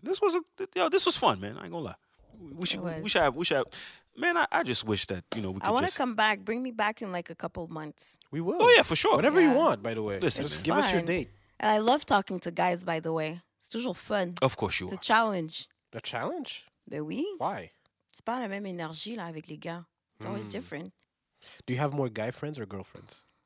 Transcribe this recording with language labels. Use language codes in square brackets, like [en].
[en] This was fun, man. I ain't gonna lie. I just wish that, you know, we could I want to come back. Bring me back in like a couple of months. We will. Oh, yeah, for sure. Whatever yeah. you want, by the way. Listen, just give us your date. And I love talking to guys, by the way. [fr] C'est toujours fun. [en] Of course you It's are. It's a challenge. A challenge? [fr] Ben oui. [en] Why? [fr] C'est pas la même énergie là avec les gars. [en] It's always different. Do you have more guy friends or girlfriends?